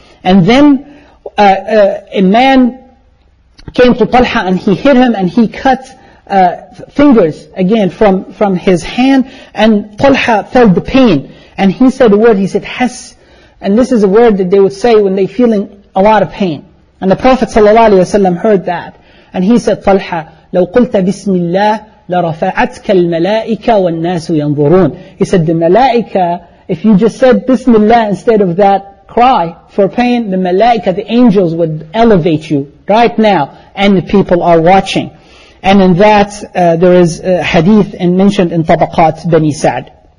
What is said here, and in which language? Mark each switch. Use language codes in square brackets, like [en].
[en] And then a man came to Talha and he hit him and he cut fingers again from his hand, and Talha felt the pain. And he said a word, he said, "Hass." And this is a word that they would say when they're feeling a lot of pain. And the Prophet sallallahu alayhi wa sallam heard that. And he said, [ar] "Talha, لو قلت بسم الله لرفعتك الملائكة والناس ينظرون." [en] He said, "The malaika, if you just said bismillah instead of that cry for pain, the malaika, the angels would elevate you right now and the people are watching." And in that, there is a hadith and mentioned in Tabaqat Bani Sa'd.